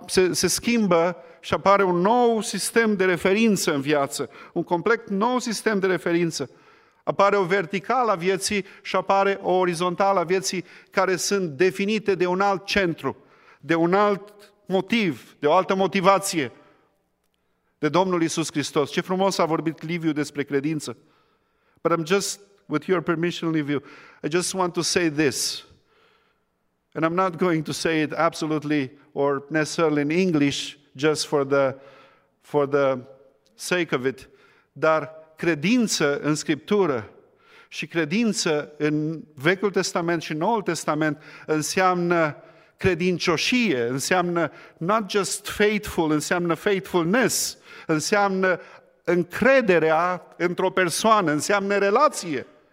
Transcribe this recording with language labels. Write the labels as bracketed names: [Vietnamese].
[Romanian] Se schimbă și apare un nou sistem de referință în viață, un complet nou sistem de referință. Apare o verticală a vieții și apare o orizontală a vieții care sunt definite de un alt centru, de un alt motiv, de o altă motivație, de Domnul Iisus Hristos. Ce frumos a vorbit Liviu despre credință. [English] But I'm just, with your permission, Liviu, I just want to say this. And I'm not going to say it absolutely or necessarily in English, just for the sake of it, [Romanian] dar credință în Scriptură și credință în Vechiul Testament și Noul Testament înseamnă credincioșie, înseamnă [English] not just faithful, [Romanian] înseamnă faithfulness, înseamnă încrederea într-o persoană, înseamnă relație.